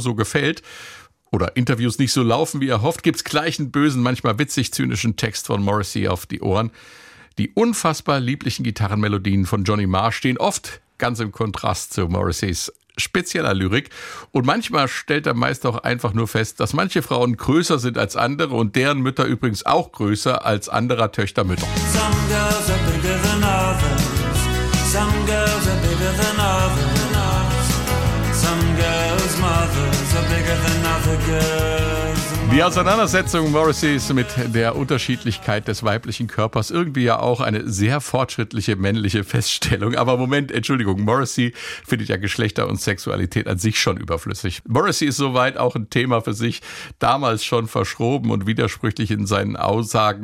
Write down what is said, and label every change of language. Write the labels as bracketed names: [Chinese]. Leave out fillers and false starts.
[German] so gefällt, oder Interviews nicht so laufen, wie erhofft, gibt's gleich einen bösen, manchmal witzig-zynischen Text von Morrissey auf die Ohren. Die unfassbar lieblichen Gitarrenmelodien von Johnny Marr stehen oft ganz im Kontrast zu Morrisseys spezieller Lyrik. Und manchmal stellt der Meister auch einfach nur fest, dass manche Frauen größer sind als andere und deren Mütter übrigens auch größer als anderer Töchter Mütter. [English] Some girls are bigger than others. Some girls are bigger than others. Some girls' mothers are bigger than other girls. [German] Die Auseinandersetzung Morrisseys mit der Unterschiedlichkeit des weiblichen Körpers, irgendwie ja auch eine sehr fortschrittliche männliche Feststellung. Aber Moment, Entschuldigung, Morrissey findet ja Geschlechter und Sexualität an sich schon überflüssig. Morrissey ist soweit auch ein Thema für sich, damals schon verschroben und widersprüchlich in seinen Aussagen.